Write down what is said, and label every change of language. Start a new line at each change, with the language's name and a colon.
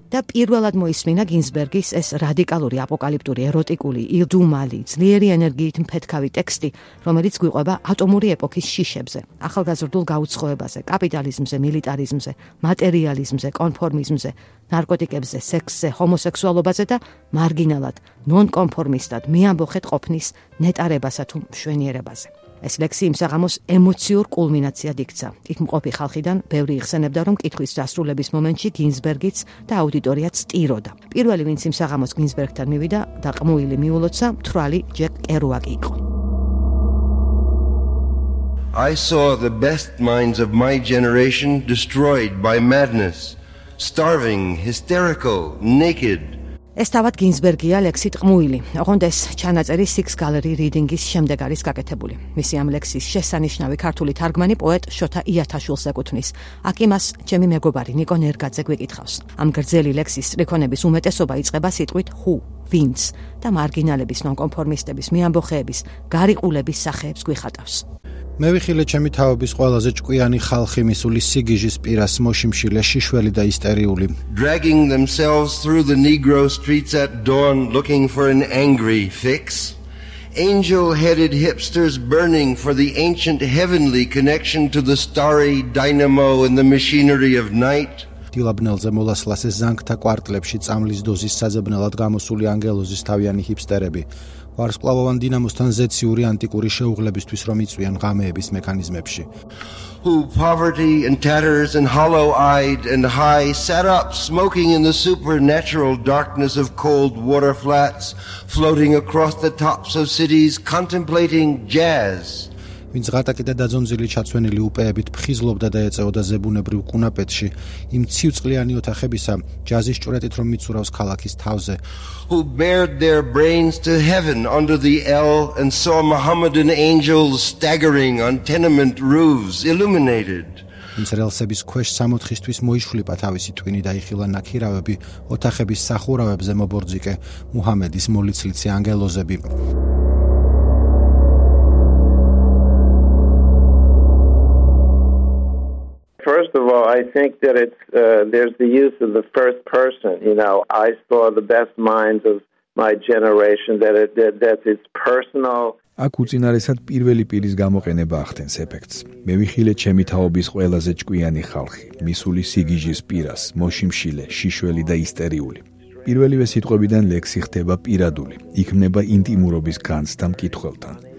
Georgian: და პირველად მოისმინა გინსბერგის ეს რადიკალური, აპოკალიპტური, ეროტიკული, ილდუმალი, ძლიერი ენერგიით მფეთქავი ტექსტი, რომელიც გვიყვება ატომური ეპოქის შიშებზე, ახალგაზრდულ გაუცხოებაზე, კაპიტალიზმზე, მილიტარიზმზე, მატერიალიზმზე, კონფორმიზმზე, ნარკოტიკებზე, სექსზე, ჰომოსექსუალობაზე და მარგინალად, ნონკონფორმისტად, მეამბოხეთ ყოფნის ნეტარებასა თუ მშვენიერებაზე. ეს ლექსი იმ საღამოს ემოციურ კულმინაციად იქცა. იქ მყოფი ხალხიდან ბევრი იხსენებდა, რომ კითხვის დასრულების მომენტში გინსბერგიც და აუდიტორიაც ტიროდა. პირველი, ვინც იმ საღამოს გინსბერგთან მივიდა და ყმუილი მიულოცა, მთვრალი ჯეკ კერუაკი იყო.
English: I saw the best minds of my generation destroyed by madness, starving, hysterical, naked.
Georgian: ეს თავად გინსბერგია, ლექსი ტყმუილი. ოღონდ ეს ჩანაწერი Six Gallery Reading-ის შემდეგ არის გაკეთებული. მისი ამ ლექსის შესანიშნავი ქართული თარგმანი პოეტ შოთა იათაშვილს ეკუთვნის. აქ იმას ჩემი მეგობარი ნიკო ნერგაძე გვიკითხავს. ამ გრძელი ლექსის სტრიქონების უმეტესობა იწყება სიტყვით ჰუ, ვინც, და მარგინალების, ნონკონფორმისტების, მეამბოხეების, გარიყულების სახეებს გვიხატავს. მე ვიხილე ჩემი თაობის ყველაზე ჭკვიანი ხალხი, მისული სიგიჟის პირას, მოშიმშილე, შიშველი და ისტერიული.
English: Dragging themselves through the negro streets at dawn looking for an angry fix. Angel-headed hipsters burning for the ancient heavenly connection to the starry dynamo and the machinery of night.
Georgian: დილაბნელზე მოლასლასე ზანგთა კვარტლებში წამლის დოზის საძებნელად გამოსული ანგელოზის თავიანი ჰიპსტერები. ვარსკვლავოვან დინამოსთან ზეციური ანტიკური შეუღლებისთვის რომ იწვიან ღამეების მექანიზმებში.
English: Who poverty and tatters and hollow-eyed and high sat up smoking in the supernatural darkness of cold water flats floating across the tops of cities contemplating jazz.
Georgian: ვინც ღატაკი და დაძონძილი ჩაცვენილი უპეებით ფხიზლობდა და ეწეოდა ზებუნებრივ კუნაპეტში იმ ციუწყლიანი ოთახებისა ჯაზის ჭურეტით რომ მიცურავს ქალაქის თავზე.
English: Who bared their brains to heaven under the L and saw Mohammedan angels staggering on tenement roofs illuminated.
Georgian: ვინც რელსების ქვეშ სამოთხისთვის მოიშვლიპა თავისი ტვინი და იხილა ნაქირავები ოთახების სახურავებზე მობორძიკე მუჰამედის მოლიცლიცი ანგელოზები.
English: First of all, I think that it's there's the use of the first person, you know, I saw the best minds of my generation that it's personal.
Georgian: აქ უწინარესად პირველი პირის გამოყენება ახდენს ეფექტს. მე ვიხილე ჩემი თაობის ყველაზე ჭკვიანი ხალხი, მისული სიგიჟის პირას, მოშიმშილე, შიშველი და ისტერიული. პირველივე სიტყვებიდან ლექსი ხდება პირადული, იქმნება ინტიმურობის განცდა მკითხველთან.